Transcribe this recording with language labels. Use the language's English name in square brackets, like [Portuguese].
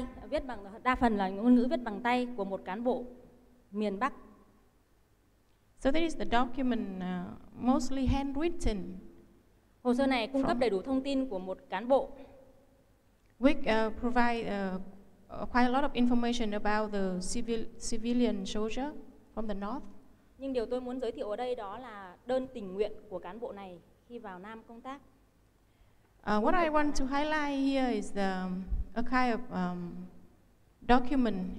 [Vietnamese] viết bằng đa phần là ngôn ngữ viết bằng tay của một cán bộ miền Bắc. [English] So there is the document mostly handwritten. [Vietnamese] Hồ sơ này cung cấp đầy đủ thông tin của một cán bộ. [English] Which provide quite a lot of information about the civilian soldier from the north. [Vietnamese] Nhưng điều tôi muốn giới thiệu ở đây đó là đơn tình nguyện của cán bộ này khi vào Nam công tác. [English] What I want to highlight here is the a kind of document.